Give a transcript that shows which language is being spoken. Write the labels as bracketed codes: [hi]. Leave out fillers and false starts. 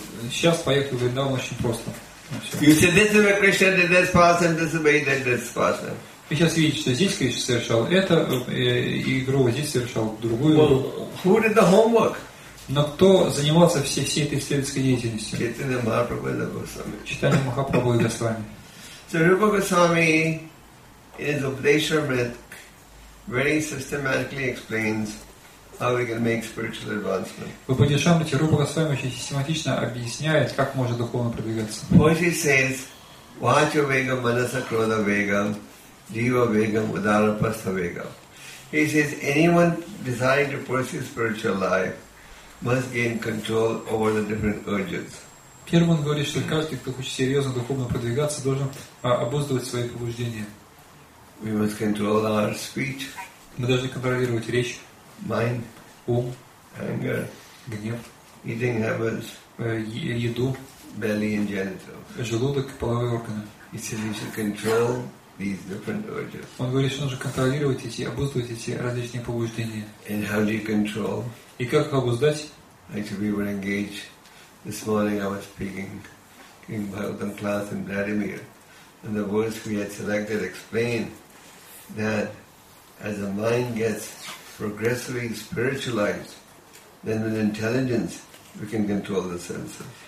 [ru] Сейчас поехать в Вриндаван очень просто. [en] You say this is where Krishna did this pastime, this is where he did this pastime. [ru] Вы сейчас видите, что здесь Кришна совершал эту игру, а здесь совершал другую игру. [en] Well, who did the homework? [ru] Но кто занимался всей этой исследовательской деятельностью? [en] Читание Махапрабху и Госвами. [ru] Читание Махапрабху и Госвами. [en] So Rupa Goswami in his Upadeshavrit very systematically explains how we can make spiritual advancement. [ru] В Упадешамрите Рупа Госвами очень систематично объясняет, как можно духовно продвигаться. [en] Poetry says, [sa] Vacha Vegam Manasa Krodha Vegam Jiva Vegam Udara Pastha Vegam. [en] He says anyone desiring to pursue spiritual life must gain control over the different urges. [ru] Первым говорит, что каждый, кто хочет серьезно духовно продвигаться, должен обуздывать свои побуждения. [en] We must control our speech. [ru] Мы должны контролировать речь. [en] Mind. [ru] Ум. [en] Anger. [ru] Гнев. [en] Eating habits. [ru] Еду. [en] Belly and genitals. [ru] Желудок и половые органы. [en] He says we should control these different urges. [ru] Он говорит, что нужно контролировать эти, обуздывать эти различные побуждения. [en] And how do you control? [ru] И как их обуздать? [en] Actually, we were engaged. This morning I was speaking in Bhagavatam class in Vladimir, and the words we had selected explained that as a mind gets progressively spiritualized, then with intelligence we can control the senses.